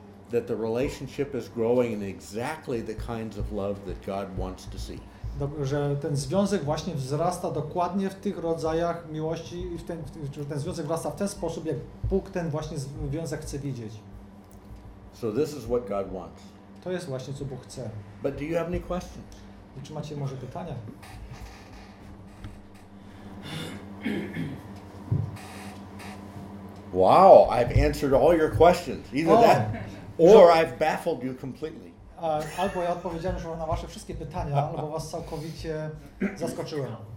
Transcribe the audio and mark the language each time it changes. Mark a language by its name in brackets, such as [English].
[English] That the relationship is growing in exactly the kinds of love that God wants to see. [Polish] Że ten związek właśnie wzrasta dokładnie w tych rodzajach miłości i ten związek wzrasta w ten sposób, jak Bóg ten właśnie związek chce widzieć. [English] So this is what God wants. [Polish] To jest właśnie co Bóg chce. [English] But do you have any questions? [Polish] I czy macie może pytania? [English] Wow, I've answered all your questions. Either oh. That. Or I've baffled you completely. [Polish] Albo ja odpowiedziałem już na wasze wszystkie pytania, albo was całkowicie zaskoczyłem.